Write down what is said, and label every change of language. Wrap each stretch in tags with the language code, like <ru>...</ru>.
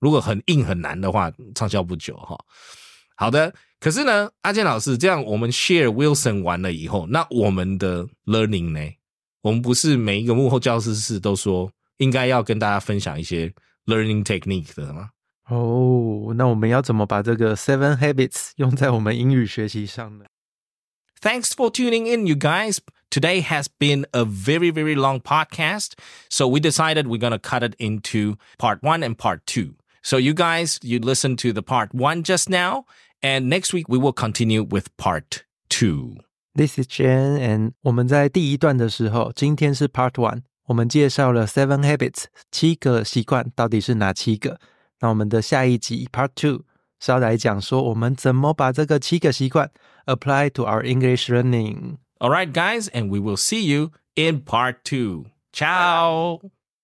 <zh>如果很硬很难的话，畅销不久、哦、好的，可是呢，阿健老师，这样我们 share Wilson 完了以后，那我们的 learning 呢？我们不是每一个幕后教师室都说应该要跟大家分享一些 learning technique 的吗？哦、那我们要怎么把这个 7 habits 用在我们英语学习上呢？</zh> <en>Thanks for tuning in, you guys. Today has been a very, very long podcast. So we decided we're going to cut it into part one and part two. So you guys, you listened to the part one just now. And next week, we will continue with part two. This is Jen.</en> <zh>And 我们在第一段的时候，今天是 part one. 我们介绍了 7 habits, 七个习惯到底是哪七个。那我们的下一集 part two, 是要来讲说我们怎么把这个七个习惯</zh> <en>apply to our English learning. All right, guys, and we will see you in part two. Ciao! Bye.</en>